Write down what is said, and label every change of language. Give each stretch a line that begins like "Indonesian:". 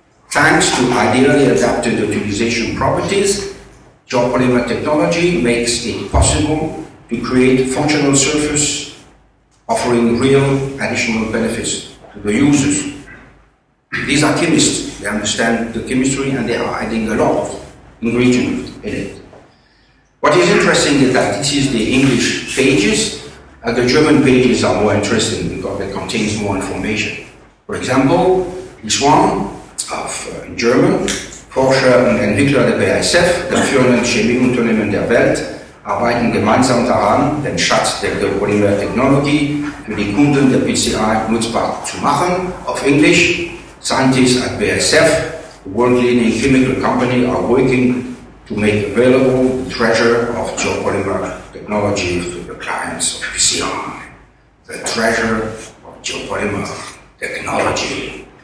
English: Thanks to ideally adapted utilization properties, geopolymer technology makes it possible to create functional surface offering real additional benefits to the users. These are chemists, they understand the chemistry and they are adding a lot of ingredients in it. What is interesting is that this is the English pages, and the German pages are more interesting because they contain more information. For example, this one of German,
German: Porsche und Entwickler der BASF, der führenden Chemieunternehmen der Welt, arbeiten gemeinsam daran, den Schatz der Geopolymer-Technologie für die Kunden der PCI nutzbar zu machen. Auf Englisch,
English: scientists at BASF, the world-leading chemical company, are working to make available the treasure of geopolymer technology to the clients of PCI. The treasure of geopolymer technology.